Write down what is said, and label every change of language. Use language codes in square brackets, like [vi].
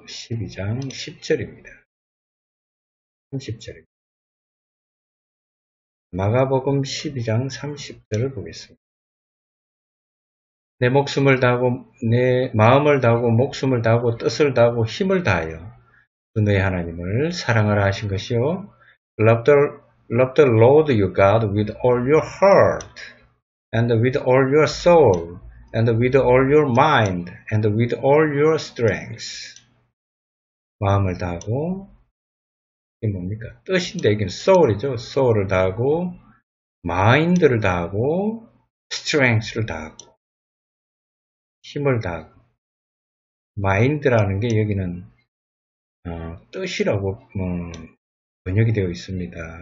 [ko] 12장 10절입니다. 30절입니다. 마가복음 12장 30절을 보겠습니다. 내 목숨을 다하고 내 마음을 다하고 목숨을 다하고 뜻을 다하고 힘을 다하여 너희 하나님을 사랑하라 하신 것이요. [en] Love the Lord your God with all your heart and with all your soul and with all your mind and with all your strength. [ko] 마음을 다하고 이게 뭡니까? 뜻인데 이게 soul이죠. soul을 다하고 mind를 다하고 strength를 다하고 힘을 다하고 마인드라는 게 여기는 뜻이라고 번역이 되어 있습니다.